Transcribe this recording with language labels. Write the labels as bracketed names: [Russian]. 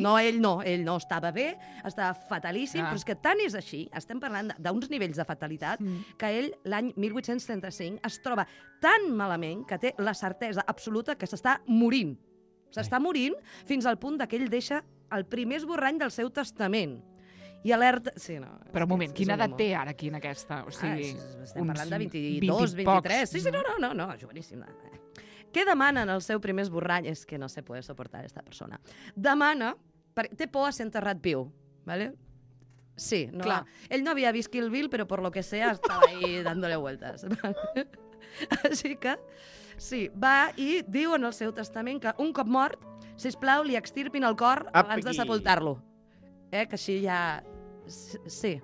[Catalan] ell no estava bé, estava fatalíssim, però és que tant és així, estem parlant d'uns nivells de fatalitat, que ell l'any 1835 es troba tan malament que té la certesa absoluta que s'està morint. S'està morint fins al punt que ell deixa el primer esborrany del seu testament. I alerta... Sí, no. Però un moment, quina edat té ara aquí en aquesta? O sigui, estem parlant de 22, 23... Pocs. Sí, no, joveníssim. Què demana en el seu primer esborrany? És que [Spanish] no se puede soportar esta persona. [Catalan] Demana... Té por a ser enterrat viu, ¿vale? Sí, no. Clar. Ell no havia vist Kill Bill, però per [Spanish] lo que sea [Catalan] estava [Spanish] ahí dándole vueltas. [Catalan] Així que, sí, va i diu en el seu testament que un cop mort, sisplau, li extirpin el cor abans de sepultar-lo. Que així ja... Sí.